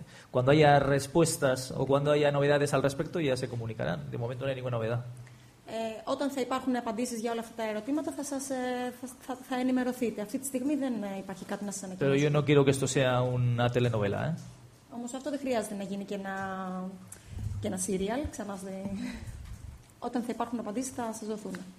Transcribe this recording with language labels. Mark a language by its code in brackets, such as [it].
[es] Cuando haya respuestas o cuando haya novedades al respecto, ya se comunicarán. De momento no hay ninguna novedad. [el] Όταν θα υπάρχουν απαντήσεις για όλα αυτά τα ερωτήματα, θα ενημερωθείτε. Αυτή τη στιγμή δεν υπάρχει κάτι να σας ανακοινώσει. [es] Pero yo no quiero que esto sea una telenovela, ¿eh? [el] Όμως αυτό δεν χρειάζεται να γίνει και ένα serial, ξανά. Όταν θα υπάρχουν απαντήσεις, θα σας δοθούν.